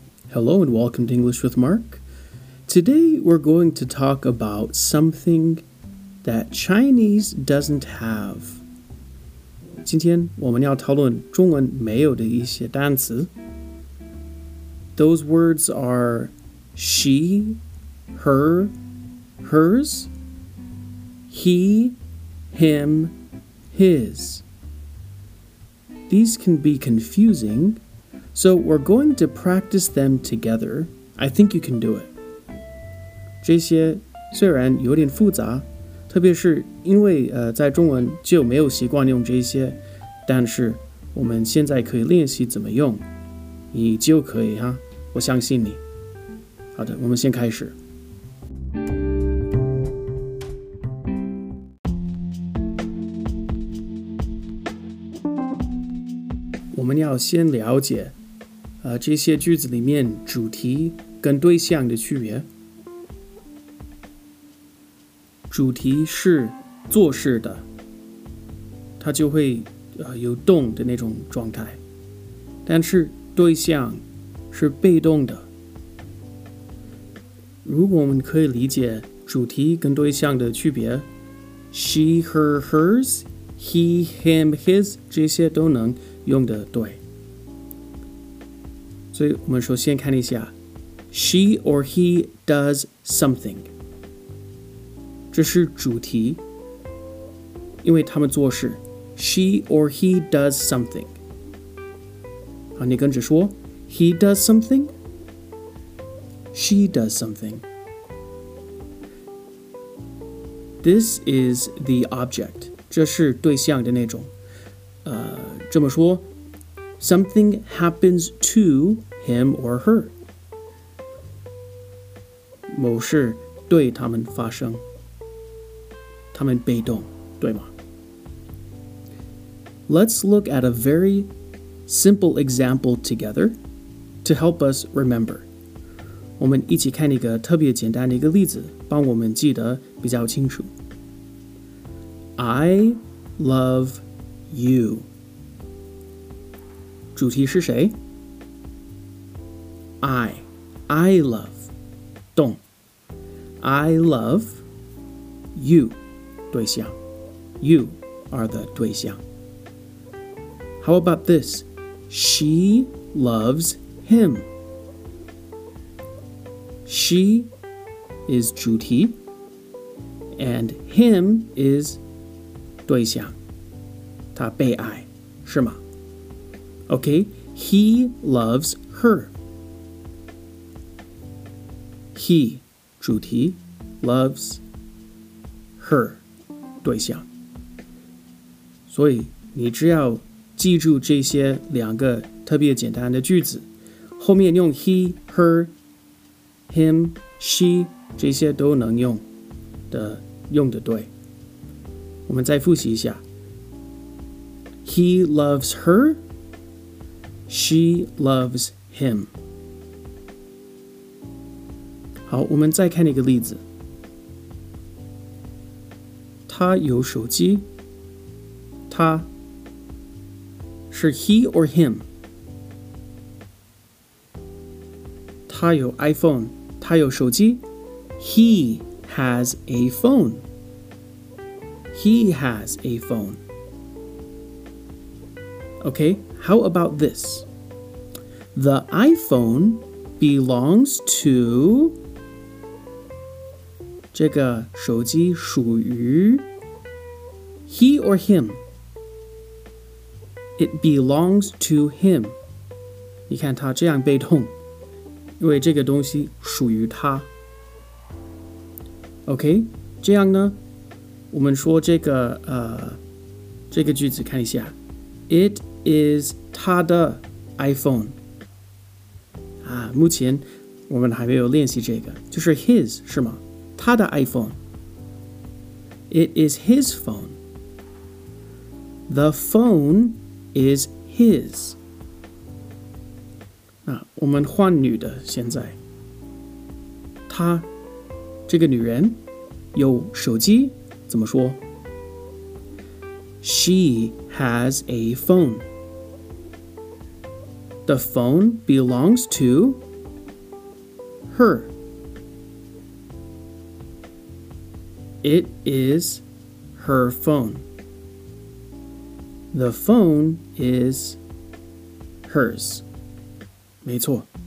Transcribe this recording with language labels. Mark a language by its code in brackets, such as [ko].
[en] Hello and welcome to English with Mark. Today we're going to talk about something that Chinese doesn't have. [zh] 今天我们要讨论中文没有的一些单词。 [en] Those words are she, her, hers, he, him, his. These can be confusing. So we're going to practice them together. I think you can do it. [zh] 这些虽然有点复杂，特别是因为在中文就没有习惯用这些，但是我们现在可以练习怎么用，你就可以哈，我相信你。好的，我们先开始。我们要先了解这些句子里面主题跟对象的区别。主题是做事的，它就会有动的那种状态，但是对象是被动的。如果我们可以理解主题跟对象的区别， [en] she, her, hers, he, him, his [zh] 这些都能用得对。所以我们首先看一下 [en] She or he does something [zh] 这是主题因为他们做事 [en] She or he does something [zh] 好你跟着说 [en] He does something She does something This is the object [zh] 这是对象的那种这么说 [en] Something happens toHim or her. [zh] 某事对他们发生。他们被动,对吗? [en] Let's look at a very simple example together to help us remember. [zh] 我们一起看一个特别简单的一个例子,帮我们记得比较清楚。 [en] I love you. [zh] 主题是谁? [en] I love, 动 I love you, 对象 You are the 对象 How about this? She loves him. She is 主题 and him is 对象 [zh] 他被爱是吗 [en] Okay, he loves her. He, 主题, loves her, 对象。 [zh] 所以你只要记住这些两个特别简单的句子，后面用 [en] he, her, him, she, [zh] 这些都能用的，用得对。我们再复习一下。 [en] He loves her, she loves him. [zh] 好，我们再看一个例子。他有手机。他是 [en] he or him? [zh] 他有 iPhone, 他有手机。 [en] He has a phone. He has a phone. Okay, how about this? The iPhone belongs to... [zh] 这个手机属于 [en] he or him. It belongs to him. [zh] 你看他这样被动，因为这个东西属于他。 OK, 这样呢，我们说这个句子看一下。 [en] It is 他的 iPhone. [zh] 啊，目前我们还没有练习这个，就是 his, 是吗？ [en] 他的 iPhone. It is his phone. The phone is his. [zh] 那我们换女的现在。她这个女人有手机怎么说? [en] She has a phone. The phone belongs to her. It is her phone. The phone is hers. [zh] 没错。